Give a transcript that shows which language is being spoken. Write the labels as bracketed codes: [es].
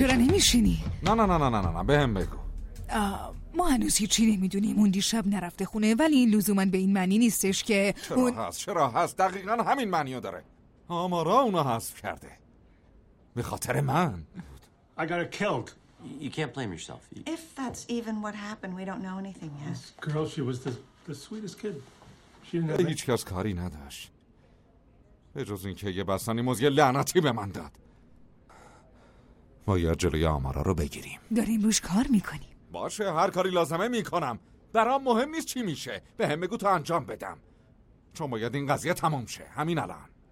[fa] چرا نمیشینی؟ نه نه نه نه نه نه به هم بگو. ما هنوز هیچی نمیدونیم. اون دیشب نرفته خونه، ولی این لزوما به این معنی نیستش که چرا اون... هست چرا هست دقیقاً همین معنیو داره. آمارا اونو حذف کرده به خاطر من. [en] I got her killed. You can't blame yourself. If that's even what happened, we don't know anything yet. This girl, she was the sweetest kid. She didn't have [fa] هیچ کس کاری نداشت به جز این که یه بستنی موز یه لعنتی به من داد. باید جلوی آمارا رو بگیریم. داریم روش کار میکنیم. باشه، هر کاری لازمه میکنم. برام مهم نیست چی میشه، به هم بگو تا انجام بدم، چون باید این قضیه تموم شه همین الان.